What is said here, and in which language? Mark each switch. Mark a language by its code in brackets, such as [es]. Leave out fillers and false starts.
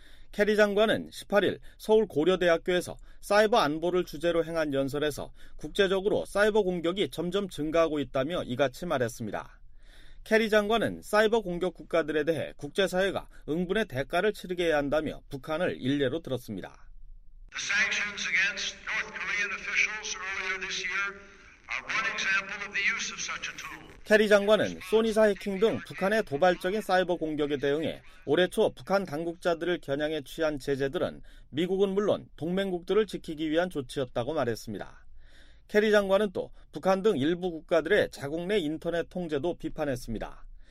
[ko] 캐리 장관은 18일 서울 고려대학교에서 사이버 안보를 주제로 행한 연설에서 국제적으로 사이버 공격이 점점 증가하고 있다며 이같이 말했습니다. 캐리 장관은 사이버 공격 국가들에 대해 국제사회가 응분의 대가를 치르게 해야 한다며 북한을 일례로 들었습니다. [en] The sanctions against North Korean officials earlier this year are one example of the use of such a tool. [ko] 캐리 장관은 소니사 해킹 등 북한의 도발적인 사이버 공격에 대응해 올해 초 북한 당국자들을 겨냥해 취한 제재들은 미국은 물론 동맹국들을 지키기 위한 조치였다고 말했습니다. 캐리 장관은 또 북한 등 일부 국가들의 자국 내 인터넷 통제도 비판했습니다.